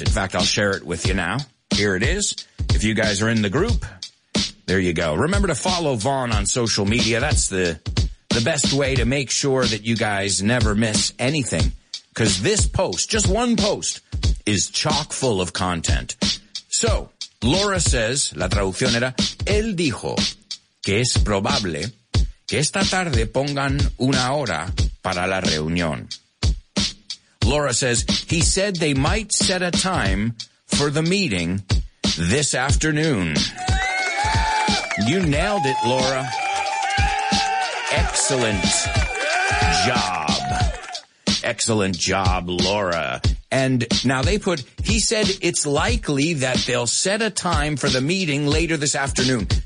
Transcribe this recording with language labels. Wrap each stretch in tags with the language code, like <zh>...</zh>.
<en>In fact, I'll share it with you now. Here it is. If you guys are in the group, there you go. Remember to follow Vaughn on social media. That's the best way to make sure that you guys never miss anything. Because this post, just one post, is chock full of content. So, Laura says,</en> <es>la traducción era, él dijo que es probable que esta tarde pongan una hora para la reunión.</es> <en>Laura says, he said they might set a time for the meeting this afternoon. You nailed it, Laura. Excellent job. Excellent job, Laura. And now they put, he said it's likely that they'll set a time for the meeting later this afternoon.</en>